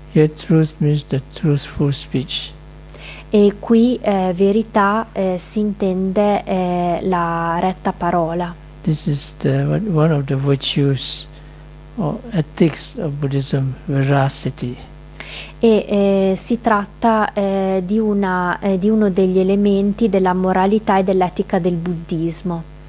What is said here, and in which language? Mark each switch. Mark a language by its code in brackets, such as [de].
[en] Here truth means the truthful speech. [it] E qui verità si intende la retta parola. [en] This is one of the virtues or ethics of Buddhism, veracity. [it] E si tratta di uno degli elementi della moralità e dell'etica del buddismo.